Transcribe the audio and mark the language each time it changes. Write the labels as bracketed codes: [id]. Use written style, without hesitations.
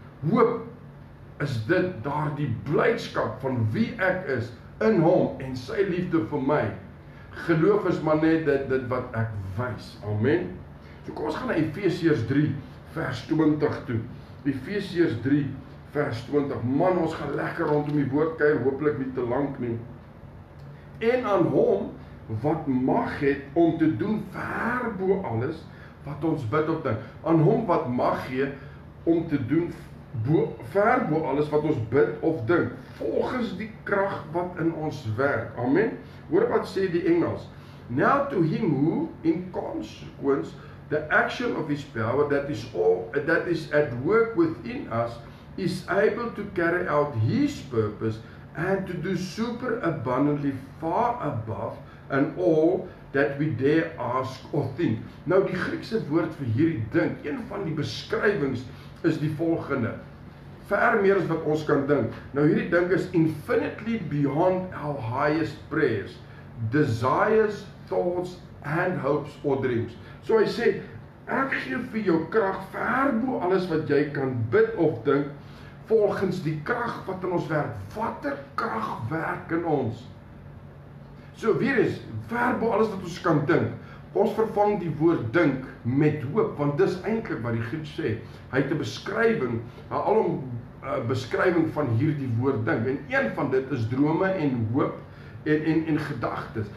[af] Hoop is dit daar die blijdskap van wie ek is in hom en sy liefde vir my. Geloof is maar net dit wat ek wys. Amen. So kom ons gaan na Efesiërs 3 vers 20 toe. Efesiërs 3 vers 20. Man, ons gaan lekker rondom die woord kuier, hopelijk nie te lank nie. En aan hom wat mag het om te doen ver bo alles wat ons bid of dink. Aan hom wat mag het om te doen ver bo alles wat ons bid of dink. Volgens die kracht wat in ons werk. Amen. Hoor wat sê die Engels. [en] Now to him who in consequence the action of his power that is at work within us is able to carry out his purpose and to do super abundantly far above and all that we dare ask or think. [af] Nou die Griekse woord vir hierdie dink, een van die beskrywings is die volgende. Ver meer as wat ons kan dink. Nou hierdie dink is [en] infinitely beyond our highest prayers, desires, thoughts and hopes or dreams. [af] So hy sê, ek gee vir jou kracht ver bo alles wat jy kan bid of dink, volgens die kracht wat in ons werk. Watter kracht werk in ons? So weer eens, ver bo alles wat ons kan dink. Ons vervang die woord dink met hoop, want dis eintlik wat die Griek sê. Hy het 'n beskrywing, 'n alom beskrywing van hierdie woord dink. En een van dit is drome en hoop en gedagtes.